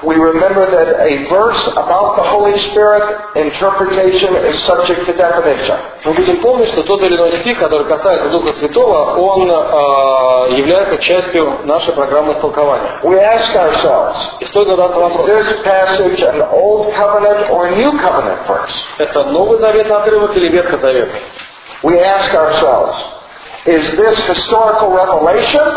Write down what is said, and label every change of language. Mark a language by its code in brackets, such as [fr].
[en] We remember that a verse about the Holy Spirit interpretation is subject to definition. [ru] Мы будем помнить, что тот или иной стих, который касается Духа Святого, он является частью нашей программы истолкования. [en] We ask ourselves, is this passage an old covenant or a new covenant verse? [ru] Это Новый Завет отрывок или Ветхозаветный? [en] We ask ourselves, is this historical revelation?